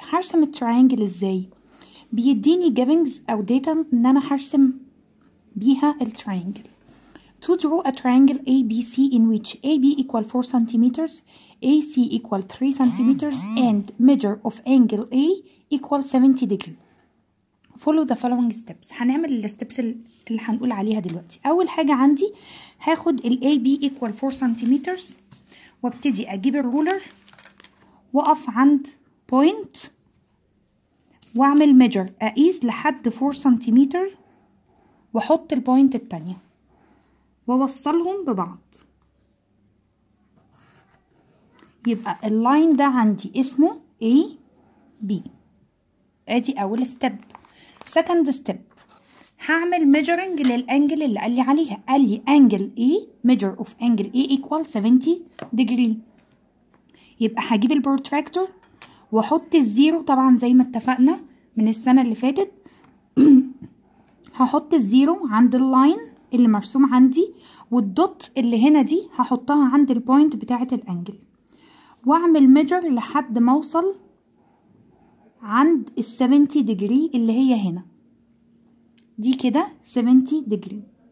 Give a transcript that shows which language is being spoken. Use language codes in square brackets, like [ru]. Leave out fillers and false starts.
[ar] هرسم الترينجل ازاي؟ بيديني givings او data ان انا هرسم بيها الترينجل. [en] To draw a triangle ABC in which AB equal 4 cm, AC equal 3 cm and measure of angle A equal 70 degree. Follow the following steps. [ar] هنعمل الستبس اللي هنقول عليها دلوقتي. اول حاجة عندي هاخد ال [en] AB equal 4 cm [ar] وابتدي اجيب الرولر وقف عند point واعمل measure اقيس لحد 4 سنتيمتر واحط البوينت التانية ووصلهم ببعض. يبقى اللاين ده عندي اسمه A B. ادي اول step. [en] second step [ar] هعمل measuring للانجل اللي قال لي عليها. قال لي [en] angle A measure of angle A equal 70 degree. [ar] يبقى هجيب البروتراكتور واحط الزيرو طبعا زي ما اتفقنا من السنة اللي فاتت. هحط الزيرو عند اللاين اللي مرسوم عندي والدوت اللي هنا دي هحطها عند البوينت بتاعة الانجل واعمل ميجر لحد ما اوصل عند السبنتي ديجري اللي هي هنا دي كده سبنتي ديجري.